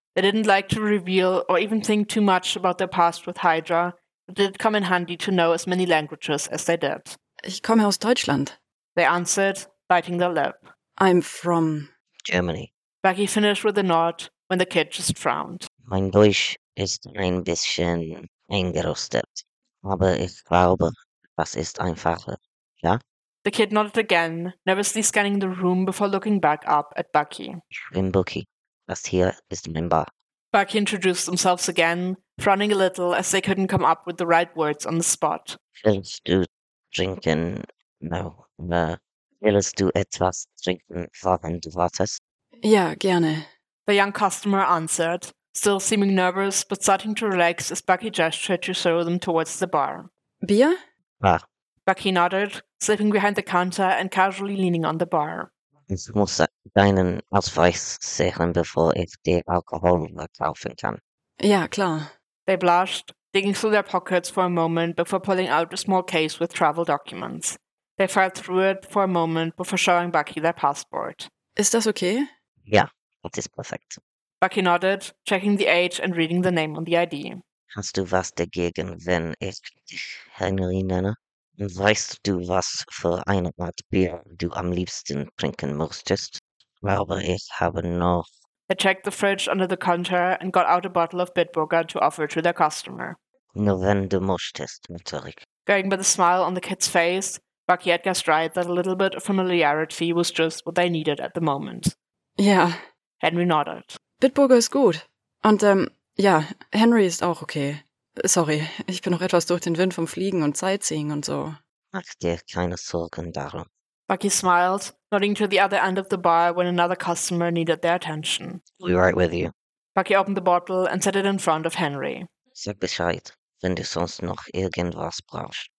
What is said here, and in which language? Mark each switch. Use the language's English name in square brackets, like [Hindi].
[English] They didn't like to reveal or even think too much about their past with Hydra, but it did come in handy to know as many languages as they did. [German] Ich komme aus Deutschland. [English] They answered, biting their lip. I'm from... Germany. Bucky finished with a nod when the kid just frowned. [German] Mein Deutsch. Ist ein bisschen eingerostet, aber ich glaube, das ist einfacher, ja? [English] The kid nodded again, nervously scanning the room before looking back up at Bucky. [German] Ich bin Bucky. Das hier ist mein Bar. [English] Bucky introduced themselves again, frowning a little as they couldn't come up with the right words on the spot. [German] Willst du trinken? No. Willst du etwas trinken, wenn du wartest? Ja, gerne. [English] The young customer answered. Still seeming nervous, but starting to relax as Bucky gestured to show them towards the bar. Beer? Ah. Bucky nodded, slipping behind the counter and casually leaning on the bar. [German] Ich muss deinen Ausweis sehen, bevor ich dir Alkohol kaufen kann. Ja, klar. [English] They blushed, digging through their pockets for a moment before pulling out a small case with travel documents. They filed through it for a moment before showing Bucky their passport. [German] Ist das okay? [English] Ja, that is perfect. Bucky nodded, checking the age and reading the name on the ID. [German] Hast du was dagegen, wenn ich dich Henry nenne? Weißt du, was für eine Art Bier du am liebsten trinken möchtest? Glaube ich habe noch... [English] They checked the fridge under the counter and got out a bottle of Bitburger to offer to their customer. [German] Nur wenn du möchtest, natürlich. [English] Going by the smile on the kid's face, Bucky had guessed right that a little bit of familiarity was just what they needed at the moment. Yeah. Henry nodded. [German] Bitburger ist gut. Und, ja, Henry ist auch okay. Sorry, ich bin noch etwas durch den Wind vom Fliegen und Sightseeing und so. Mach dir keine Sorgen darum. [English] Bucky smiled, nodding to the other end of the bar when another customer needed their attention. We're right with you. Bucky opened the bottle and set it in front of Henry. [German] Sag Bescheid, wenn du sonst noch irgendwas brauchst.